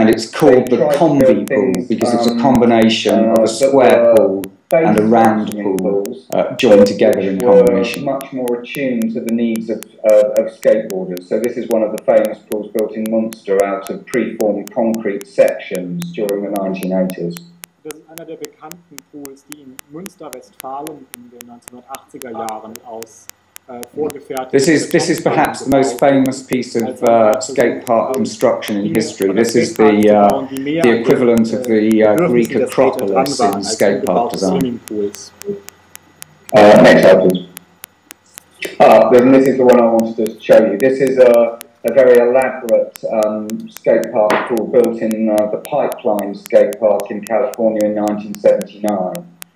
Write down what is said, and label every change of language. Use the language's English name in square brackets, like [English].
[English] And it's called the Combi Pool because it's a combination of a square pool and a round pool joined together in combination. Much more attuned to the needs of skateboarders. So this is one of the famous pools built in Munster out of preformed concrete sections during the 1980s. [German] Das ist einer der bekannten Pools, die in Münster-Westfalen in den 1980er Jahren aus [English] This is perhaps the most famous piece of skate park construction in history. This is the equivalent of the Greek Acropolis in skate park design. Next slide, please. up, then this is the one I wanted to show you. This is a very elaborate skate park pool built in the Pipeline Skate Park in California in 1979.